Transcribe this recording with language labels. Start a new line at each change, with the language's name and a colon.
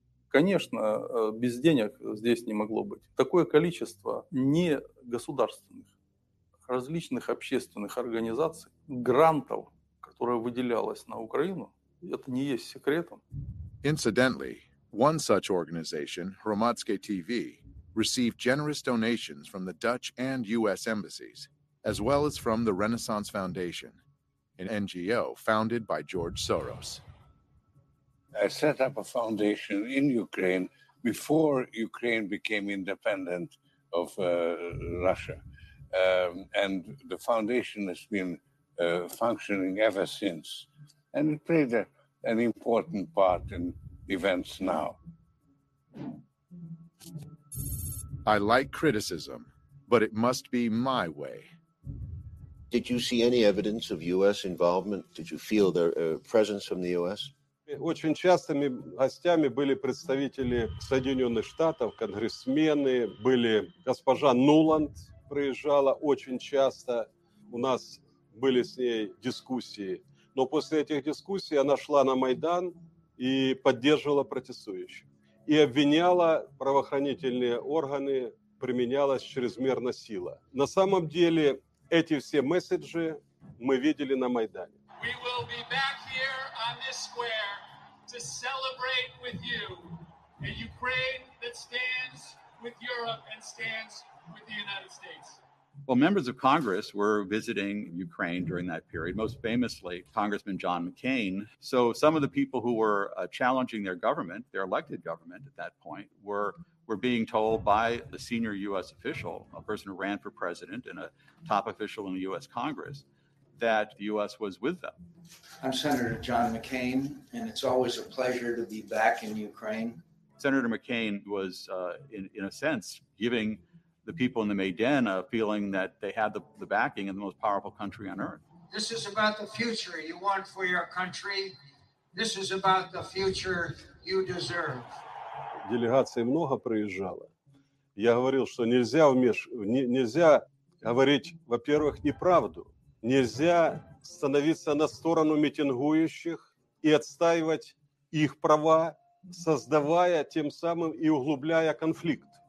Russian: Конечно, без денег здесь не могло быть. Такое количество не государственных, различных общественных организаций, грантов, которая выделялась на Украину, это не есть секретом.
English: Incidentally, one such organization, Hromadske TV, received generous donations from the Dutch and U.S. embassies, as well as from the Renaissance Foundation, an NGO founded by George Soros. I set up a foundation in Ukraine before Ukraine became independent of Russia. And the foundation has been functioning ever since. And it played an important part in events now. I like criticism, but it must be my way. Did you see any evidence of U.S. involvement? Did you feel their presence from the U.S.? Очень частыми гостями были представители Соединенных Штатов, конгрессмены, были госпожа Нуланд приезжала очень часто. У нас были с ней дискуссии. Но после этих дискуссий она шла на Майдан и поддерживала протестующих. И обвиняла правоохранительные органы, применялась чрезмерная сила. На самом деле эти все месседжи мы видели на Майдане. We will be back here on this square to celebrate with you a Ukraine that stands with Europe and stands with the United States. Well, members of Congress were visiting Ukraine during that period, most famously Congressman John McCain. So some of the people who were challenging their government, their elected government at that point, were being told by the senior U.S. official, a person who ran for president and a top official in the U.S. Congress, that the U.S. was with them. I'm Senator John McCain, and it's always a pleasure to be back in Ukraine. Senator McCain was, in a sense, giving the people in the Maidan a feeling that they had the backing of the most powerful country on earth. This is about the future you want for your country. This is about the future you deserve.
Russian: Делегаций много приезжало. Я говорил, что нельзя говорить, во-первых, неправду. Нельзя становиться на сторону митингующих и отстаивать их права, создавая тем самым и углубляя конфликт.